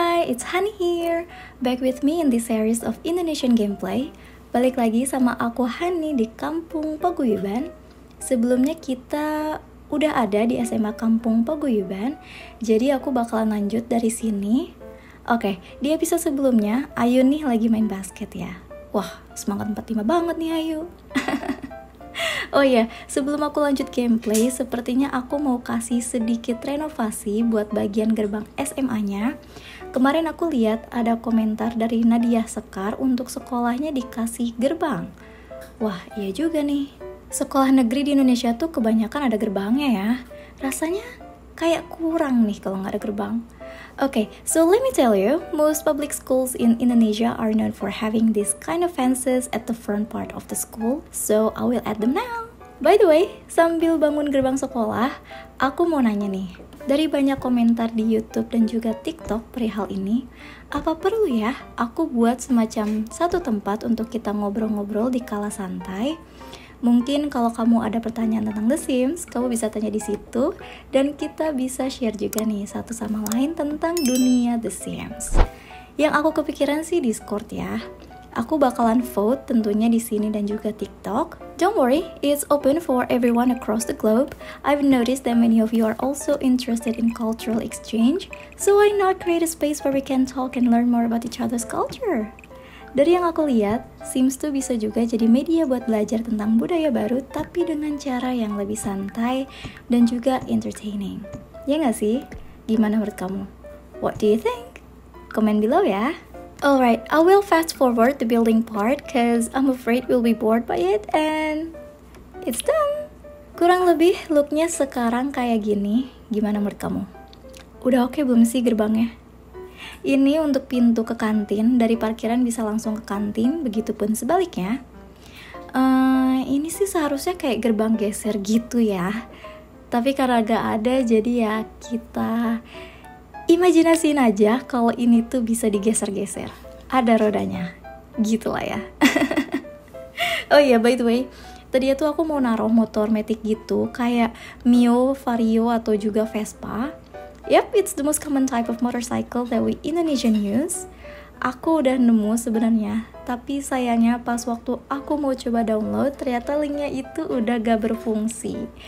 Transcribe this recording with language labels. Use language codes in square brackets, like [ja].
[en] It's Honey here, back with me in this series of Indonesian gameplay. [id] Balik lagi sama aku Honey di Kampung Paguyuban. Sebelumnya kita udah ada di SMA Kampung Paguyuban, jadi aku bakalan lanjut dari sini. Oke, di episode sebelumnya, Ayu nih lagi main basket ya. Wah, semangat 45 banget nih Ayu. Oh iya, sebelum aku lanjut gameplay, sepertinya aku mau kasih sedikit renovasi buat bagian gerbang SMA-nya. Kemarin aku lihat ada komentar dari Nadia Sekar untuk sekolahnya dikasih gerbang. Wah, iya juga nih. Sekolah negeri di Indonesia tuh kebanyakan ada gerbangnya ya. Rasanya kayak kurang nih kalau nggak ada gerbang. [en] Okay, so let me tell you, most public schools in Indonesia are known for having this kind of fences at the front part of the school, so I will add them now. [id] By the way, sambil bangun gerbang sekolah, aku mau nanya nih, dari banyak komentar di YouTube dan juga TikTok perihal ini, apa perlu ya aku buat semacam satu tempat untuk kita ngobrol-ngobrol di kala santai? Mungkin kalau kamu ada pertanyaan tentang The Sims, kamu bisa tanya di situ dan kita bisa share juga nih satu sama lain tentang dunia The Sims. Yang aku kepikiran sih Discord ya. Aku bakalan vote tentunya di sini dan juga TikTok. [en] Don't worry, it's open for everyone across the globe. I've noticed that many of you are also interested in cultural exchange, so why not create a space where we can talk and learn more about each other's culture? [id] Dari yang aku lihat, Sims tuh bisa juga jadi media buat belajar tentang budaya baru tapi dengan cara yang lebih santai dan juga entertaining. Ya nggak sih? Gimana menurut kamu? [en] What do you think? [id] Comment below ya! [en] Alright, I will fast forward the building part cause I'm afraid we'll be bored by it and it's done! [id] Kurang lebih looknya sekarang kayak gini, gimana menurut kamu? Udah oke belum sih gerbangnya? Ini untuk pintu ke kantin, dari parkiran bisa langsung ke kantin, begitupun sebaliknya. Ini sih seharusnya kayak gerbang geser gitu ya. Tapi karena gak ada, jadi ya kita imajinasiin aja kalau ini tuh bisa digeser-geser. Ada rodanya, gitulah ya. Oh iya, by the way, tadi tuh aku mau naruh motor matic gitu, kayak Mio, Vario, atau juga Vespa. [en] Yep, it's the most common type of motorcycle that we Indonesian use. [id] Aku udah nemu sebenarnya, tapi sayangnya pas waktu aku mau coba download, ternyata linknya itu udah gak berfungsi.